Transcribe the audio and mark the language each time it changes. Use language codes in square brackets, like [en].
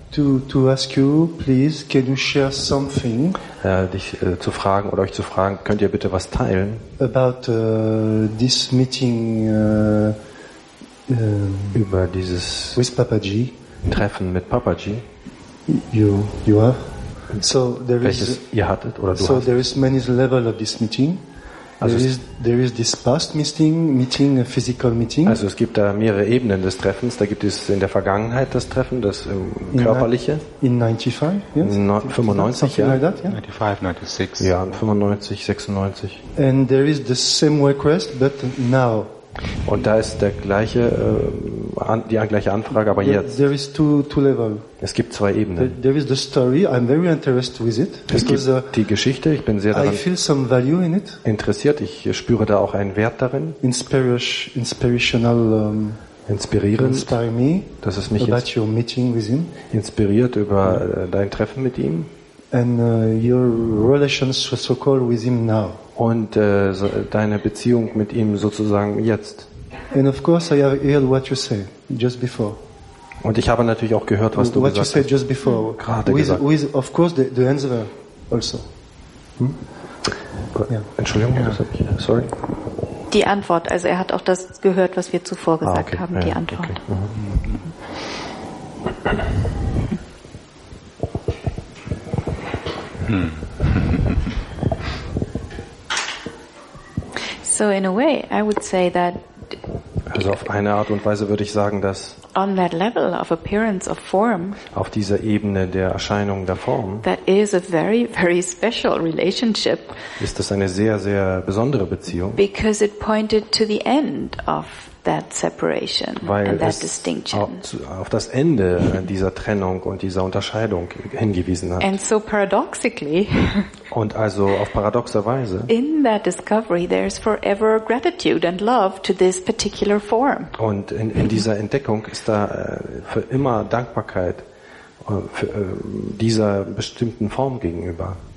[en] To ask you, please, can you share something? [de] Dich zu fragen oder euch zu fragen, könnt ihr bitte was teilen? [en] About this meeting. [de] Über dieses [en] with Papaji. [de] Treffen mit Papaji. [en] You have. So there [de] welches [en] is. [de] Ihr hattet oder du [en] so [de] hast. [en] There is many level of this meeting. Also there is this past meeting, a physical meeting. [de] Also es gibt da mehrere Ebenen des Treffens. Da gibt es in der Vergangenheit das Treffen, das körperliche. [en] In 95, yes. [de] 95, ja. [en] Like that, yeah. 95, [de] 96. Ja, 95, 96. [en] And there is the same request, but now. [de] Und da ist der gleiche, die gleiche Anfrage, aber jetzt. [en] There is two level. [de] Es gibt zwei Ebenen. [en] There is the story. I'm very interested with it. [de] Es gibt die Geschichte. Ich bin sehr daran [en] I feel some value in it. [de] Interessiert. Ich spüre da auch einen Wert darin. [en] Inspirational. [de] Inspirierend. [en] Inspire me. [de] Dass es mich [en] about your meeting with him. [de] Inspiriert über dein Treffen mit ihm. [en] And your relations so called with him now. [de] Und deine Beziehung mit ihm sozusagen jetzt. [en] And of course I heard what you say just before. [de] Und ich habe natürlich auch gehört, was du [en] what [de] gesagt [en] you said [de] hast. [en] Just before. [de] Gerade [en] with, [de] gesagt. [en] With of course the answer also. Yeah. [de] Entschuldigung, [en] yeah. Sorry. [de] Die Antwort, also er hat auch das gehört, was wir zuvor gesagt okay. haben, ja, die Antwort. Okay. [en] So in a way I would say that [de] also auf eine Art und Weise würde ich sagen, dass [en] on that level of appearance of form [de] auf dieser Ebene der Erscheinung der Form [en] that is a very very special relationship [de] ist das eine sehr sehr besondere Beziehung [en] because it pointed to the end of that separation [de] weil [en] and that distinction [de] auf das Ende dieser Trennung und dieser Unterscheidung hingewiesen hat [en] and so paradoxically [de] und also auf paradoxer Weise [en] in that discovery there's forever gratitude and love to this particular form [de] und in dieser Entdeckung ist da für immer Dankbarkeit für dieser bestimmten Form gegenüber.